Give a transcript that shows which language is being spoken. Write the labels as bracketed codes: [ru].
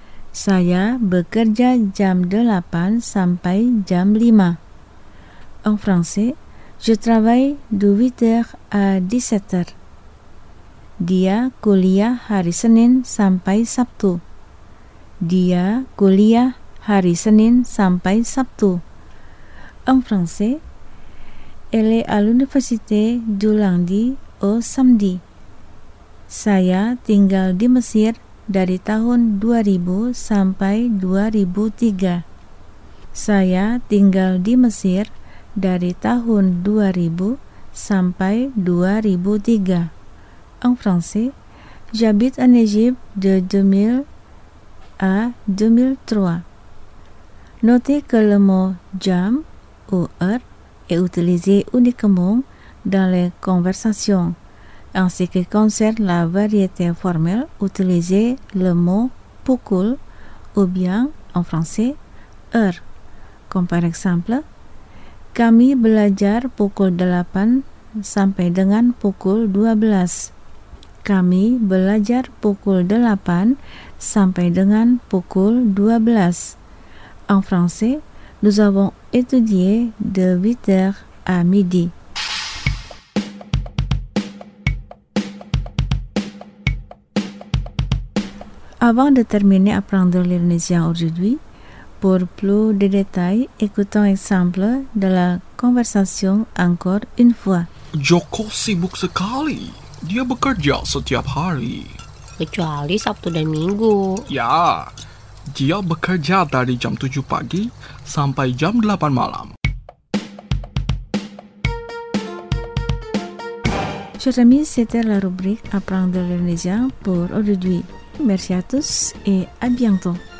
[id] Saya bekerja jam 8 sampai jam 5. [fr] en français, je travaille de 8h à 17h. [id] Dia kuliah hari Senin sampai Sabtu. Dia kuliah hari Senin sampai Sabtu. [fr] En français, elle est à l'université du lundi au samedi. [id] Saya tinggal di Mesir dari tahun 2000 sampai 2003. Saya tinggal di Mesir dari tahun 2000 sampai 2003. [fr] En français, j'habite en Égypte de 2000 à 2003. Notez que le mot jam ou heure est utilisé uniquement dans les conversations. En ce qui concerne la variété formelle, utilisez le mot pukul ou bien en français heure. Comme par exemple, [id] kami belajar pukul 8 sampai dengan pukul 12. Kami belajar pukul 8 sampai dengan pukul 12. [fr] En français, nous avons étudié de 8h à midi. Avant de terminer apprendre l'indonésien aujourd'hui, pour plus de détails, écoutons exemple de la conversation encore une fois. [id] Joko sibuk sekali. Dia bekerja setiap hari. Kecuali Sabtu dan Minggu. Ya, dia bekerja dari jam 7 pagi sampai jam 8 malam. [fr] Chers amis, c'était la rubrique Apprendre l'indonésien pour aujourd'hui. Merci à tous et à bientôt.